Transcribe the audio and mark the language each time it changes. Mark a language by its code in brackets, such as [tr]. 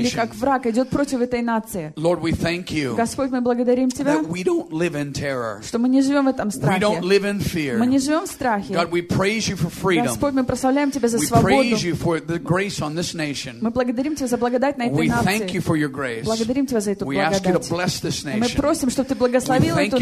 [ru] Или как враг идет против этой нации. [en] Lord, we thank you. [ru] Господь, мы благодарим тебя. [en] That we don't live in terror. [ru] Что мы не живем в этом страхе. [en] We don't live in fear. [ru] Мы не живем в страхе. [en] God, we praise you for freedom. [ru] Господь, мы прославляем тебя за свободу. [en] We praise you for the grace on this nation. [ru] Мы благодарим тебя за благодать на этой нации. [en] We thank you for your grace. [ru] Благодарим тебя за эту благодать. [en] We ask you to bless this nation. [ru] Мы просим, чтобы ты благословил эту нацию.